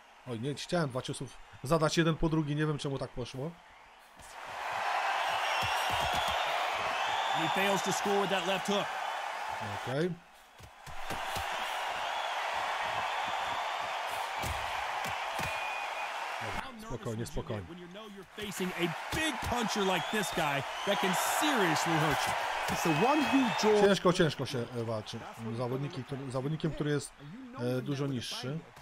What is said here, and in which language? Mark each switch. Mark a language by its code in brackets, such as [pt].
[pl] Oj, nie, chciałem dwa ciosów zadać jeden po drugi, nie wiem czemu tak poszło. [en] He fails to score with that left hook. Okej. [pl] Okay. Spokojnie, spokojnie. [en] When you know you're facing a big puncher like this guy that can seriously hurt you. It's the one who draws. [pl] Ciężko się walczy zawodnikiem, który jest dużo niższy.